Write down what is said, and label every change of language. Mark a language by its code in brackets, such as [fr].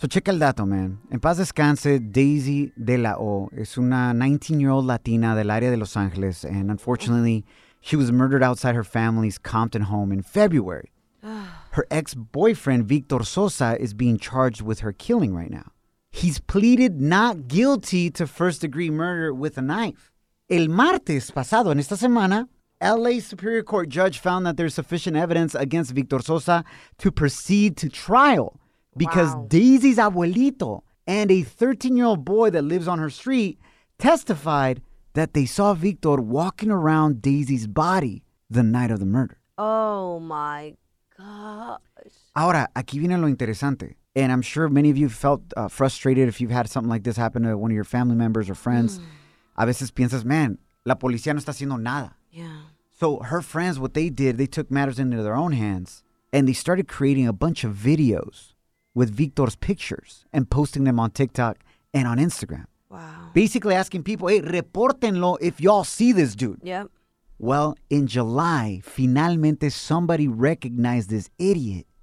[es] So checa el dato, man. En paz descanse, Daisy De La O es una 19-year-old Latina del área de Los Ángeles. [en] And unfortunately, she was murdered outside her family's Compton home in February. Her ex-boyfriend, Victor Sosa, is being charged with her killing right now. He's pleaded not guilty to first-degree murder with a knife. [es] El martes pasado, en esta semana, L.A. [en] Superior Court judge found that there's sufficient evidence against Victor Sosa to proceed to trial because Daisy's abuelito and a 13-year-old boy that lives on her street testified that they saw Victor walking around Daisy's body the night of the murder. Oh, my gosh. [es] Ahora, aquí viene lo interesante. [en] And I'm sure many of you felt frustrated if you've had something like this happen to one of your family members or friends. [es] A veces piensas, man, la policía no está haciendo nada. [en] Yeah. So her friends, what they did, they took matters into their own hands And they started creating a bunch of videos with Victor's pictures and posting them on TikTok and on Instagram. Wow. Basically asking people, hey, reportenlo if y'all see this dude. Yep. Well, in July, finalmente somebody recognized this idiot.